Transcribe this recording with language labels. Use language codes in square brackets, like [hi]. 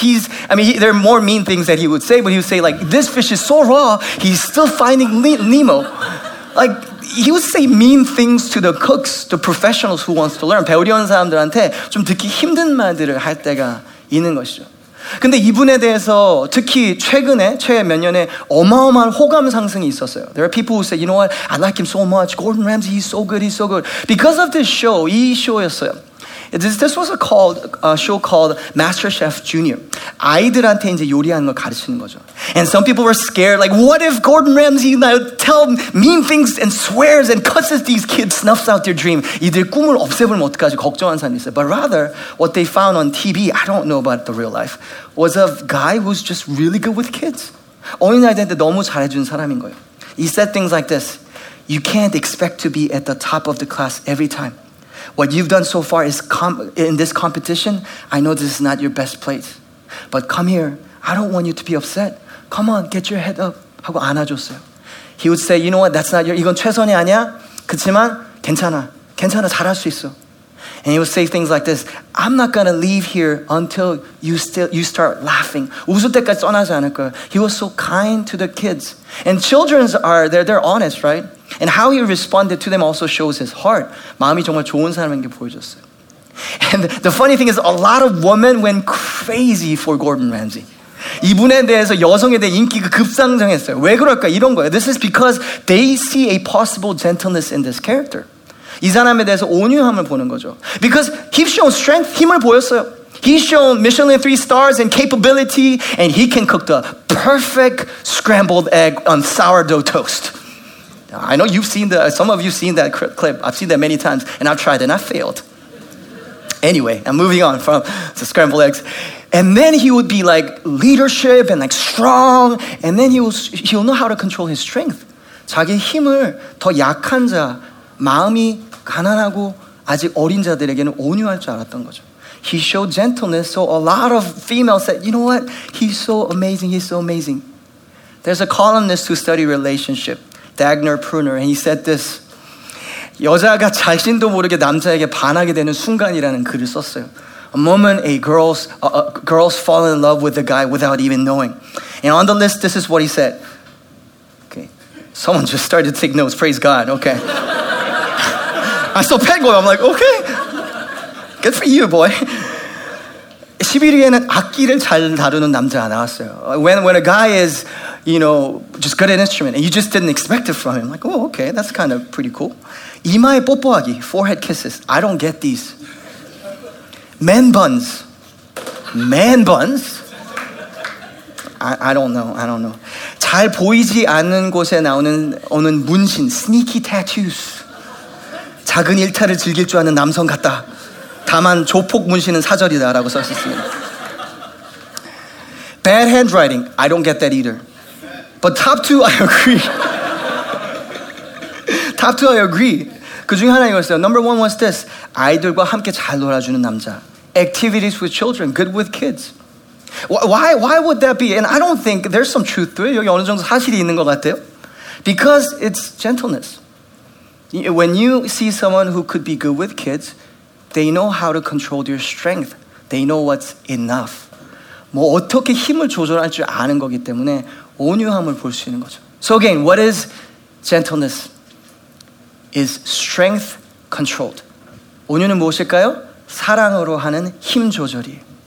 [en] There are more mean things that he would say, but he would say like, this fish is so raw, he's still finding Nemo. Like, he would say mean things to the cooks, the professionals who wants to learn. [ko] 배우려는 사람들한테 좀 듣기 힘든 말들을 할 때가 있는 것이죠. 근데 이분에 대해서 특히 최근에, 최근 몇 년에 어마어마한 호감 상승이 있었어요. [en] There are people who say, you know what, I like him so much. Gordon Ramsay, he's so good, he's so good. Because of this show, [ko] 이 쇼였어요. [en] This was a show called MasterChef Junior. [ko] 아이들한테 이제 요리하는 걸 가르치는 거죠. [en] And some people were scared, like, what if Gordon Ramsay now tell mean things and swears and cusses these kids, snuffs out their dream? [ko] 이들 꿈을 없애버리면 어떡하지? 걱정한 사람이 있어요. [en] But rather, what they found on TV, I don't know about the real life, was a guy who's just really good with kids. [ko] 어린아이들한테 너무 잘해준 사람인 거예요. [en] He said things like this: "You can't expect to be at the top of the class every time. What you've done so far is in this competition, I know this is not your best place. But come here. I don't want you to be upset. Come on, get your head up." [ko] 하고 안아줬어요. [en] He would say, "You know what? That's not your, [ko] 이건 최선이 아니야. 그렇지만 괜찮아. 괜찮아. 잘할 수 있어." [en] And he would say things like this: "I'm not going to leave here until you start laughing." [ko] 웃을 때까지 떠나지 않을 거야. [en] He was so kind to the kids. And children are, they're honest, right? And how he responded to them also shows his heart. [ko] 마음이 정말 좋은 사람인 게 보여줬어요. [en] And the funny thing is, a lot of women went crazy for Gordon Ramsay. [ko] 이분에 대해서 여성에 대한 인기가 급상승했어요. 왜 그럴까? 이런 거예요. [en] This is because they see a possible gentleness in this character. [ko] 이 사람에 대해서 온유함을 보는 거죠. [en] Because he's shown strength, [ko] 힘을 보였어요. [en] He's shown Michelin 3 stars and capability, and he can cook the perfect scrambled egg on sourdough toast. I know you've seen some of you seen that clip. I've seen that many times, and I've tried, and I failed. Anyway, I'm moving on from the scrambled eggs. And then he would be like leadership and like strong, and then he'll know how to control his strength. [ko] 자기 힘을 더 약한 자, 마음이 가난하고 아직 어린 자들에게는 온유할 줄 알았던 거죠. [en] He showed gentleness, so a lot of females said, "You know what? He's so amazing. He's so amazing." There's a columnist who studied relationship, Dagner Pruner, and he said this: [ko] 여자가 자신도 모르게 남자에게 반하게 되는 순간이라는 글을 썼어요. [en] A moment a girl's fall in love with a guy without even knowing. And on the list, this is what he said. Okay, someone just started to take notes. Praise God. Okay. I saw Pego. I'm like, okay, good for you, boy. [ko] 11위에는 악기를 잘 다루는 남자가 나왔어요. [en] When a guy is, you know, just good at instrument, and you just didn't expect it from him. Like, oh, okay, that's kind of pretty cool. [ko] 이마에 뽀뽀하기, [en] forehead kisses. I don't get these. Man buns. I don't know. [ko] 잘 보이지 않는 곳에 오는 문신, [en] sneaky tattoos. [ko] 작은 일탈을 즐길 줄 아는 남성 같다. 다만 조폭 문신은 사절이다라고 썼습니다. [en] Bad handwriting. I don't get that either. But top two, I agree. Top two, I agree. [ko] 그 중에 하나 이거였어요. [en] Number one was this. [ko] 아이들과 함께 잘 놀아주는 남자. [en] Activities with children. Good with kids. Why would that be? And I don't think there's some truth to it. [ko] 여기 어느 정도 사실이 있는 것 같아요. [en] Because it's gentleness. When you see someone who could be good with kids, they know how to control their strength. They know what's enough. [ko] 뭐 어떻게 힘을 조절할 줄 아는 거기 때문에 온유함을 볼 수 있는 거죠. [en] So again, what is gentleness? Is strength controlled. [ko] 온유는 무엇일까요? 사랑으로 하는 힘 조절이에요.